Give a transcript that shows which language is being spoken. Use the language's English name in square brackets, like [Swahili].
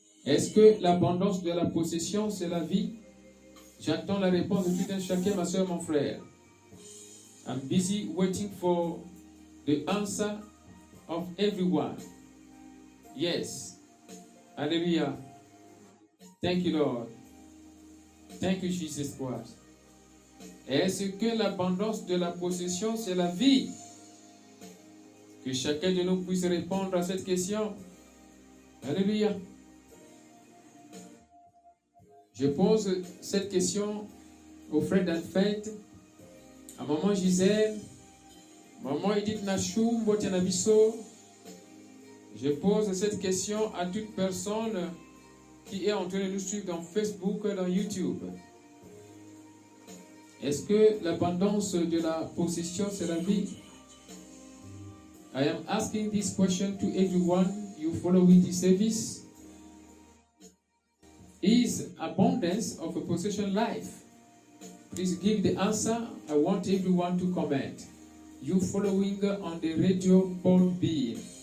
[French] Est-ce que l'abondance de la possession, c'est la vie? J'attends la réponse de tout un chacun, ma soeur, mon frère. [English] I'm busy waiting for the answer of everyone. Yes. Alléluia. Thank you, Lord. Thank you, Jesus Christ. [French] Est-ce que l'abondance de la possession, c'est la vie? Que chacun de nous puisse répondre à cette question. Alléluia. Je pose cette question au frère d'Alfred, à maman Gisèle, maman Edith Nashum, Botianabiso. Je pose cette question à toute personne qui est en train de nous suivre dans Facebook, dans YouTube. Est-ce que l'abondance de la possession, c'est la vie? [English] I am asking this question to everyone you following this service. Is abundance of a possession life? Please give the answer. I want everyone to comment. You following on the radio, Paul B.